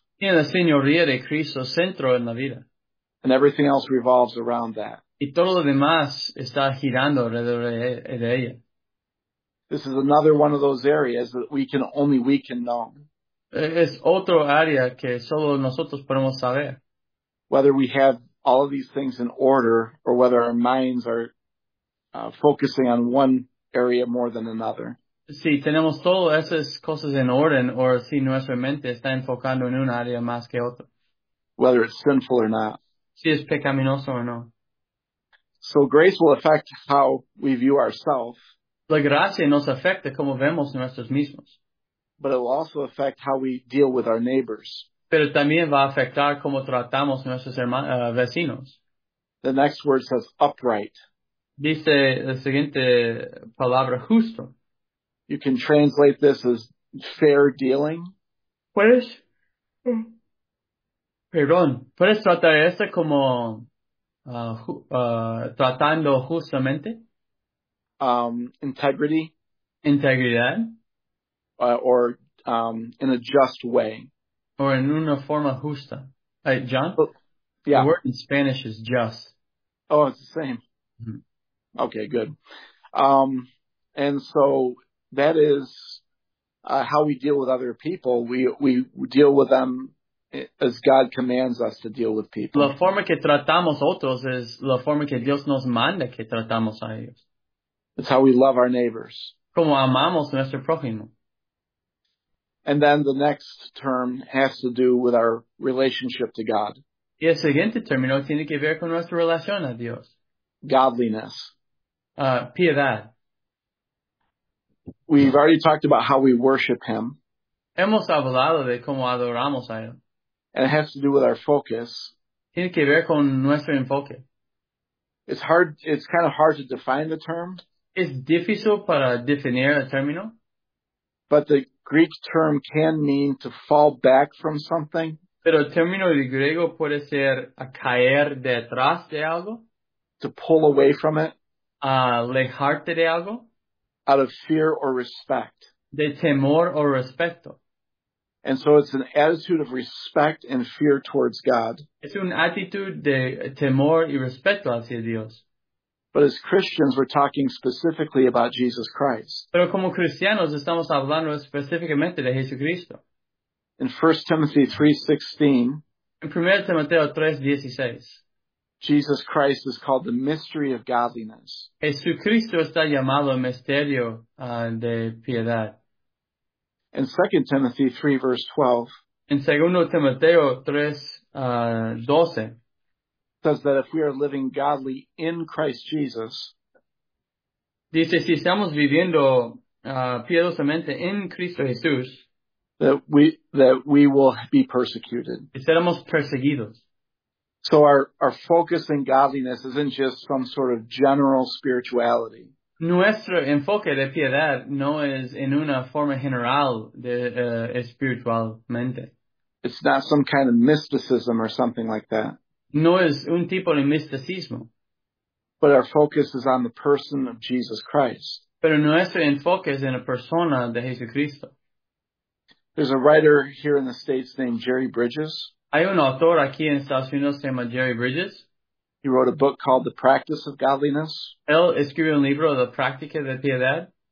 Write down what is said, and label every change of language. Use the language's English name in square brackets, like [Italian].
[Spanish] Tiene la señoría de Cristo centro en la vida. [English] And everything else revolves around that. [Spanish] Y todo lo demás está girando alrededor de ella. [English] This is another one of those areas that we can only we can know. [Spanish] Es otro área que solo nosotros podemos saber. [English] Whether we have all of these things in order or whether our minds are focusing on one area more than another. [Spanish] Si tenemos todas esas cosas en orden o si nuestra mente está enfocando en un área más que otra. [English] Whether it's sinful or not. [Spanish] Si es pecaminoso o no. [English] So grace will affect how we view ourselves. [Spanish] La gracia nos afecta como vemos nosotros mismos. [English] But it will also affect how we deal with our neighbors. [Spanish] Pero también va a afectar cómo tratamos nuestros vecinos. [English] The next word says upright. [Spanish] Dice la siguiente palabra, justo. [English] You can translate this as fair dealing. [Spanish] ¿Puedes tratar esto como tratando justamente? [English] Integrity. [Spanish] Integridad. [English] Or in a just way. [Spanish] Or en una forma justa. John? [English] Yeah. The word in Spanish is just. Oh, it's the same. Mm-hmm. Okay, good. And so that is how we deal with other people. We deal with them as God commands us to deal with people. [Spanish] La forma que tratamos otros es la forma que Dios nos manda que tratamos a ellos. [English] It's how we love our neighbors. [Spanish] Como amamos nuestro prójimo. [English] And then the next term has to do with our relationship to God. [Spanish] Y el siguiente término tiene que ver con nuestra relación a Dios. [English] Godliness. [Spanish] Piedad. [English] We've already talked about how we worship Him. [Spanish] Hemos hablado de cómo adoramos a Él. [English] And it has to do with our focus. [Spanish] Tiene que ver con nuestro enfoque. [English] It's kind of hard to define the term. [Spanish] Es difícil para definir el término. [English] But the Greek term can mean to fall back from something. [Spanish] Pero el término de griego puede ser a caer detrás de algo. [English] To pull away from it. [Spanish] A alejarte de algo. [English] Out of fear or respect. [Spanish] De temor o respeto. [English] And so it's an attitude of respect and fear towards God. [Spanish] Es una actitud de temor y respeto hacia Dios. [English] But as Christians, we're talking specifically about Jesus Christ. [Spanish] Pero como cristianos, estamos hablando específicamente de Jesucristo. [English] In 1 Timothy 3:16, [Spanish] en 1 Timoteo 3:16, [English] Jesus Christ is called the mystery of godliness. [Spanish] Jesucristo está llamado el misterio de piedad. [English] In 2 Timothy 3:12, [Spanish] en 2 Timoteo 3:12, [English] says that if we are living godly in Christ Jesus, [Spanish] dice, si estamos viviendo piedosamente en Cristo Jesús, [English] that we will be persecuted. [Spanish] Seremos perseguidos. [English] So our focus in godliness isn't just some sort of general spirituality. [Spanish] Nuestro enfoque de piedad no es en una forma general de espiritualmente. [English] It's not some kind of mysticism or something like that. [Spanish] No es un tipo de misticismo. [English] But our focus is on the person of Jesus Christ. [Spanish] Pero nuestro enfoque es en la persona de Jesucristo. [English] There's a writer here in the States named Jerry Bridges. [Spanish] Hay un autor aquí en Estados Unidos llamado Jerry Bridges. [English] He wrote a book called The Practice of Godliness. [Spanish] Él escribió un libro, La Práctica de Piedad.